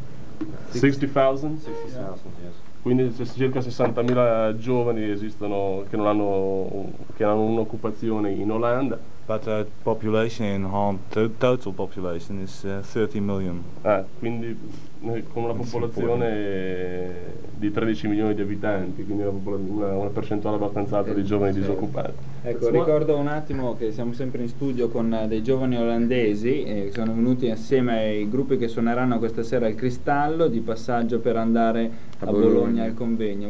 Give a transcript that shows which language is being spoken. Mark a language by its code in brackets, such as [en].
[it] 60,000, yes. Quindi circa 60,000 giovani esistono che non hanno un'occupazione in Olanda. [en] But the population in Holland, total population is 30 million. [it] Ah, quindi con una popolazione di 13 milioni di abitanti, quindi una percentuale abbastanza alta di giovani disoccupati. Ecco, ricordo un attimo che siamo sempre in studio con dei giovani olandesi che sono venuti assieme ai gruppi che suoneranno questa sera al Cristallo di passaggio per andare a Bologna al convegno.